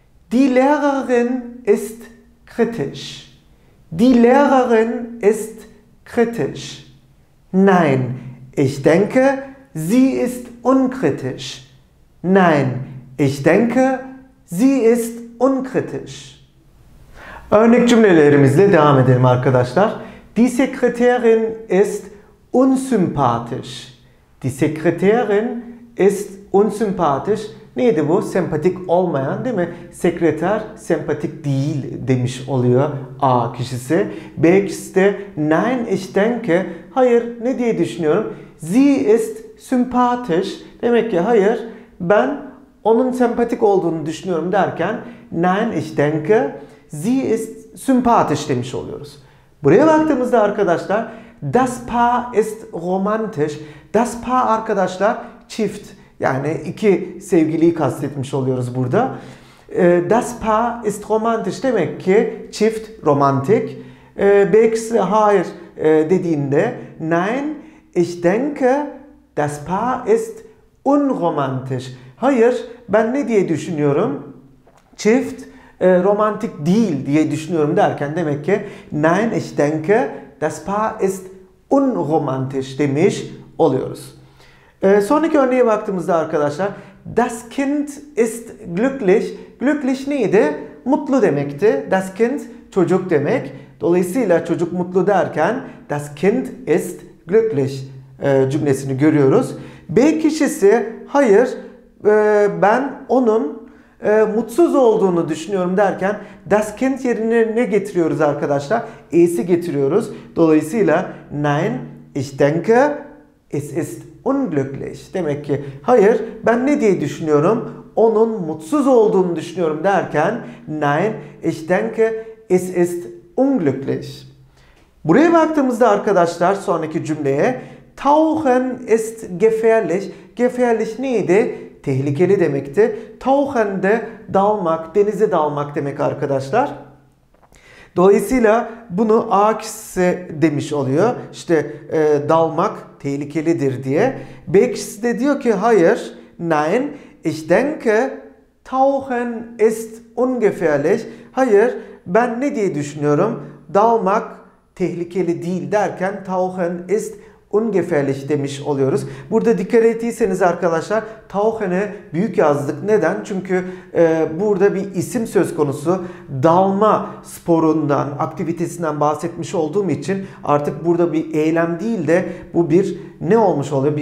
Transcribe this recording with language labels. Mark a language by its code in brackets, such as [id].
[de] Die Lehrerin ist kritisch. Die Lehrerin ist kritisch. Nein, ich denke, sie ist unkritisch. Nein, ich denke, sie ist unkritisch. [tr] Örnek cümlelerimizle devam edelim arkadaşlar. [de] Die Sekretärin ist unsympathisch. Die Sekretärin ist unsympathisch. [tr] Neydi bu? Sempatik olmayan değil mi? Sekreter sempatik değil demiş oluyor A kişisi. B kişisi de [de] nein, ich denke, [tr] hayır, ne diye düşünüyorum? [de] Sie ist sympathisch. [tr] Demek ki hayır, ben onun sempatik olduğunu düşünüyorum derken [de] Nein, ich denke, sie ist sympathisch [tr] demiş oluyoruz. Buraya baktığımızda arkadaşlar, [de] das Paar ist romantisch. [tr] Das Paar arkadaşlar çift, yani iki sevgiliyi kastetmiş oluyoruz burada. [de] Das Paar ist romantisch [tr] demek ki çift romantik. Belki hayır dediğinde, [de] nein, ich denke, das Paar ist unromantisch. [tr] Hayır, ben ne diye düşünüyorum? Çift romantik değil diye düşünüyorum derken demek ki [de] nein, ich denke, das Paar ist unromantisch [tr] demiş oluyoruz. Sonraki örneğe baktığımızda arkadaşlar, [de] das Kind ist glücklich. [tr] Glücklich neydi? Mutlu demekti. Das Kind çocuk demek. Dolayısıyla çocuk mutlu derken [de] das Kind ist glücklich [tr] cümlesini görüyoruz. B kişisi hayır, ben onun mutsuz olduğunu düşünüyorum derken das Kind yerine ne getiriyoruz arkadaşlar? E'si getiriyoruz. Dolayısıyla [de] nein, ich denke, es ist unglücklich. [tr] Demek ki hayır, ben ne diye düşünüyorum? Onun mutsuz olduğunu düşünüyorum derken [de] nein, ich denke, es ist unglücklich. [tr] Buraya baktığımızda arkadaşlar sonraki cümleye, [de] tauchen ist gefährlich. [tr] Gefährlich neydi? Tehlikeli demekti. Tauchen de dalmak, denize dalmak demek arkadaşlar. Dolayısıyla bunu A kişisi demiş oluyor. İşte dalmak tehlikelidir diye. B kişisi de diyor ki hayır, [de] nein, ich denke, tauchen ist ungefährlich. [tr] Hayır, ben ne diye düşünüyorum? Dalmak tehlikeli değil derken [de] tauchen ist ungefährlich [tr] demiş oluyoruz. Burada dikkat ettiyseniz arkadaşlar, tauchen'e büyük yazdık. Neden? Çünkü burada bir isim söz konusu. Dalma sporundan, aktivitesinden bahsetmiş olduğum için artık burada bir eylem değil de bu bir ne olmuş oluyor?